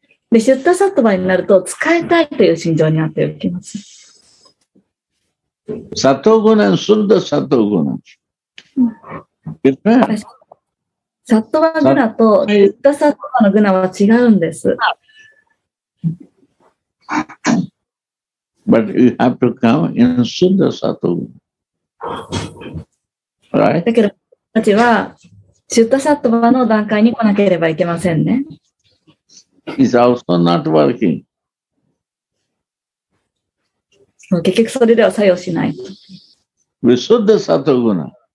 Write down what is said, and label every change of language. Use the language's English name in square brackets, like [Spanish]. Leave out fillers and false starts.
[Japanese] で、シュッタサットバになると使いたいという心情になっていきます。サトゴナン、シュッタサトゴナン。サットワグナとユッタサットワのグナは違うんです。 [English] But you have to come in Shuddha Sattva Guna. Right? [Japanese] だけど、私たちはシュッタサットワの段階に来なければいけませんね。 [English] It's also not working. [Japanese] 結局それでは作用しない。 [English] With Shuddha Sattva Guna.